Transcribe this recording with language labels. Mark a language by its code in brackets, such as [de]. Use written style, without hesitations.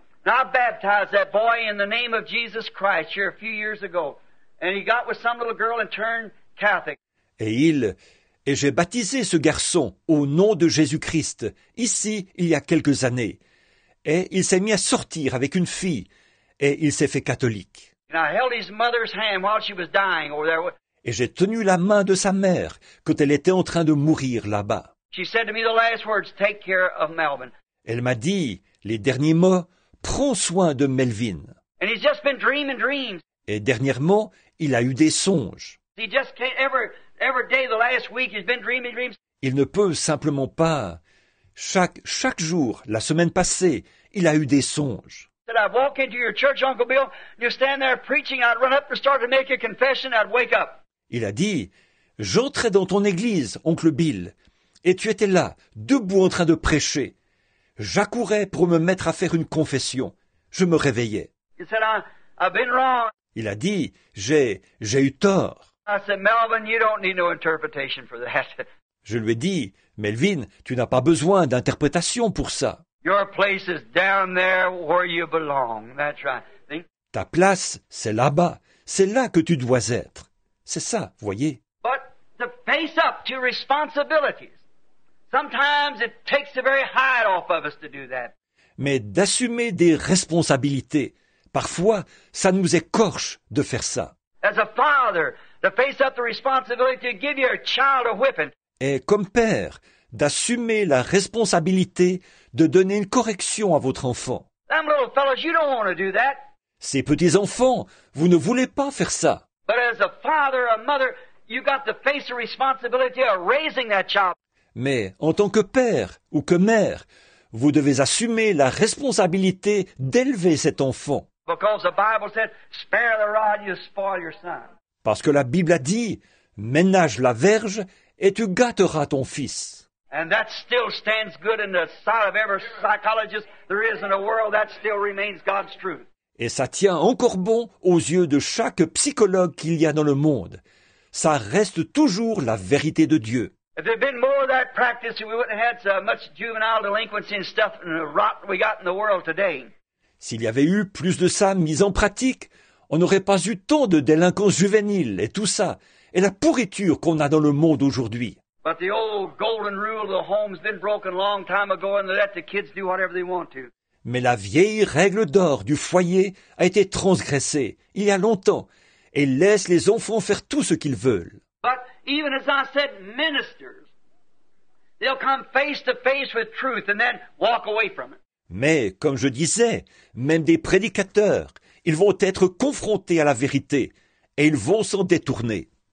[en] I baptized that boy in the name of Jesus Christ here a few years ago, and he got with some little girl and turned Catholic. [fr] Et j'ai baptisé ce garçon au nom de Jésus-Christ ici il y a quelques années, et il s'est mis à sortir avec une fille, et il s'est fait catholique. [en] And I held his mother's hand while she was dying over there. [fr] Et j'ai tenu la main de sa mère quand elle était en train de mourir là-bas. [en] She said to me the last words, "Take care of Melvin." [fr] Elle m'a dit les derniers mots, "Prends soin de Melvin." [en] And he's just been dreaming dreams. [fr] Et dernièrement, il a eu des songes. [en] He just can't every day the last week he's been dreaming dreams. [fr] Il ne peut simplement pas. Chaque jour, la semaine passée, il a eu des songes. [en] That I'd walk into your church, Uncle Bill, and you stand there preaching, I'd run up and start to make a confession, I'd wake up. [fr] Il a dit, j'entrais dans ton église, Oncle Bill, et tu étais là, debout en train de prêcher. J'accourais pour me mettre à faire une confession. Je me réveillais. [en] He said, I've been wrong. [fr] Il a dit, j'ai eu tort. [en] I said, Melvin, you don't need no interpretation for that. [fr] Je lui ai dit, Melvin, tu n'as pas besoin d'interprétation pour ça. [en] Your place is down there where you belong. That's right. See? [fr] Ta place, c'est là-bas. C'est là que tu dois être. C'est ça, voyez. [en] But to face up to responsibilities, sometimes it takes the very hide off of us to do that. [fr] Mais d'assumer des responsabilités, parfois, ça nous écorche de faire ça. [en] As a father, to face up the responsibility to give your child a whipping. [fr] Et comme père, d'assumer la responsabilité de donner une correction à votre enfant. [en] Them little fellows, you don't want to do that. [fr] Ces petits enfants, vous ne voulez pas faire ça. [en] But as a father, a mother, you got to face the responsibility of raising that child. [fr] Mais en tant que père ou que mère, vous devez assumer la responsabilité d'élever cet enfant. [en] Because the Bible said, spare the rod, you spoil your son. [fr] Parce que la Bible a dit, ménage la verge et tu gâteras ton fils. [en] And that still stands good in the sight of every psychologist there is in the world. That still remains God's truth. [fr] Et ça tient encore bon aux yeux de chaque psychologue qu'il y a dans le monde. Ça reste toujours la vérité de Dieu. [en] If there had been more of that practice, we wouldn't have had so much juvenile delinquency and stuff and the rot we got in the world today. [fr] S'il y avait eu plus de ça mis en pratique, on n'aurait pas eu tant de délinquance juvénile et tout ça, et la pourriture qu'on a dans le monde aujourd'hui. [en] But the old golden rule of the home has been broken a long time ago and they let the kids do whatever they want to. [fr] Mais la vieille règle d'or du foyer a été transgressée il y a longtemps et laisse les enfants faire tout ce qu'ils veulent. [en] But even as I said, ministers, they'll come face to face with truth and then walk away from it. [fr] Mais comme je disais, même des prédicateurs, ils vont être confrontés à la vérité et ils vont s'en détourner.